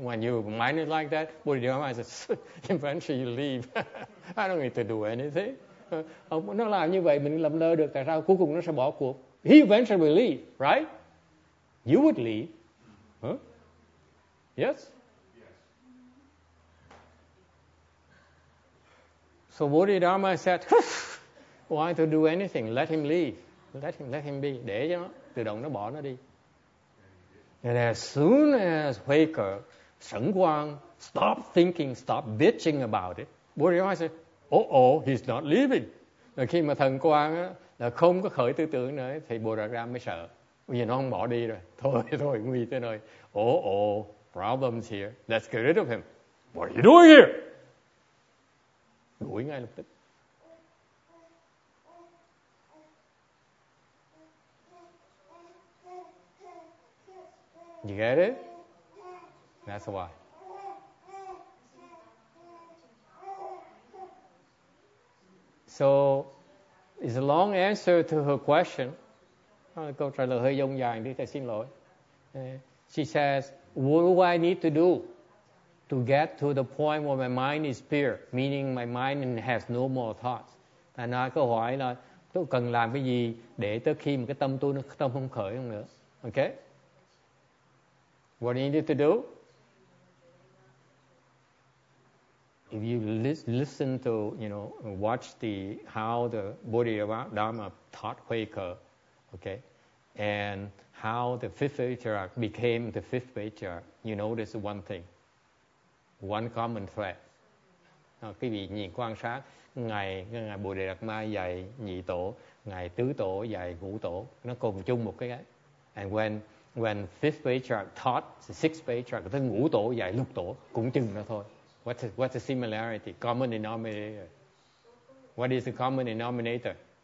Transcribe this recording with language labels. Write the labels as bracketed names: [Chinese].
[English] When you mind it like that, Bodhidharma says, eventually you leave. I don't need to do anything. [Vietnamese] Ông nó làm như vậy mình nằm lơ được. Tại sao cuối cùng nó sẽ bỏ cuộc? [English] He eventually will leave, right? You would leave, huh? Yes? So Bodhidharma said, why to do anything? Let him leave. Let him be. [Vietnamese] Để cho nó, tự động nó bỏ nó đi. [English] And as soon as Huaker, Sẩn Quang, stop thinking, stop bitching about it, Bodhidharma said, oh, he's not leaving. [Vietnamese] Và khi mà Thần Quang là không có khởi tư tưởng nữa, thì Bodhidharma mới sợ. Vì nó không bỏ đi rồi. Thôi, nguy tới nơi. [English] Oh, problems here. Let's get rid of him. What are you doing here? [Vietnamese] Đuổi ngay lập tức. [English] You get it? That's why. So, it's a long answer to her question. [Vietnamese] Câu trả lời hơi dông dài đi, thầy xin lỗi. [English] She says, what do I need to do to get to the point where my mind is pure, meaning my mind has no more thoughts? [Vietnamese] Thầy nói, câu hỏi là, tôi cần làm cái gì để tới khi mà cái tâm tôi nó tâm không khởi không nữa? [English] Okay? What do you need to do? If you listen to, you know, watch the, how the Bodhidharma taught Quaker, okay? And how the fifth patriarch became the fifth patriarch, you notice one thing, one common thread. [Vietnamese] Quý vị nhìn quan sát, ngày Bồ Đề Đạt Ma dạy nhị tổ, ngày tứ tổ dạy ngũ tổ, nó cùng chung một cái. [English] And when fifth patriarch taught the sixth patriarch, [Vietnamese] tức ngũ tổ dạy lục tổ, cũng chừng đó thôi. [English] What's the similarity? Common denominator. What is the common denominator?